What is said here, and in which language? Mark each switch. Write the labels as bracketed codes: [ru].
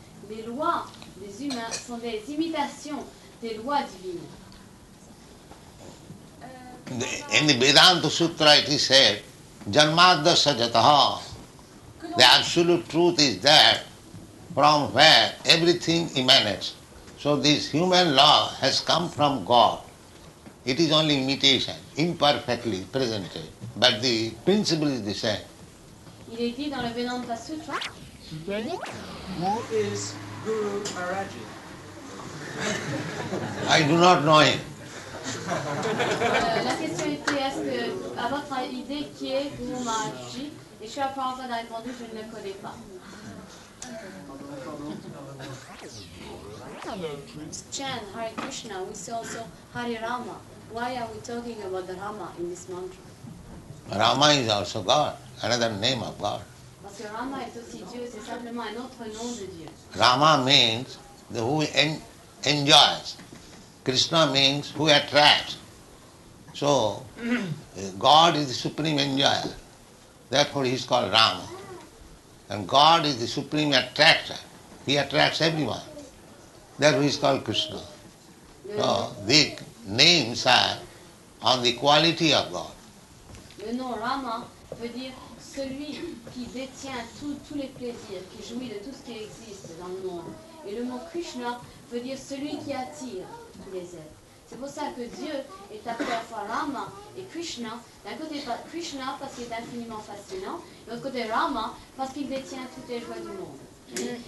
[fr] Les lois des humains sont des imitations des lois divines. [en] In the Vedanta Sutra it is said, [sa] Janmadasa Jataha. [en] The absolute truth is that from where everything emanates. So this human law has come from God. It is only imitation, imperfectly presented. But the principle is the same. [fr] Il est dit dans le Vedanta Sutra. [en] Who is Guru Maharaj? I do not know him. [fr] La question était, est-ce que, à votre idée, qui est Guru Maharshi? Et je suis à point d'avoir répondu, je ne le connais pas. [en] Chan, Hare Krishna, we see also Hare Rama. Why are we talking about the Rama in this mantra? Rama is also God, another name of God. [fr] Parce que Rama est aussi Dieu, c'est simplement un autre nom de Dieu. [en] Rama means the who enjoys. Krishna means who attracts. So, God is the supreme enjoyer. Therefore, he is called Rama. And God is the supreme attractor. He attracts everyone. Therefore, he is called Krishna. So, the names are on the quality of God. [fr] Le nom Rama veut dire celui qui détient tous les plaisirs, qui jouit de tout ce qui existe dans le monde. Et le mot Krishna veut dire celui qui attire tous les êtres. C'est pour ça que Dieu est à la fois Rama et Krishna. D'un côté Krishna parce qu'il est infiniment fascinant, et d'autre côté Rama parce qu'il détient toutes les joies du monde.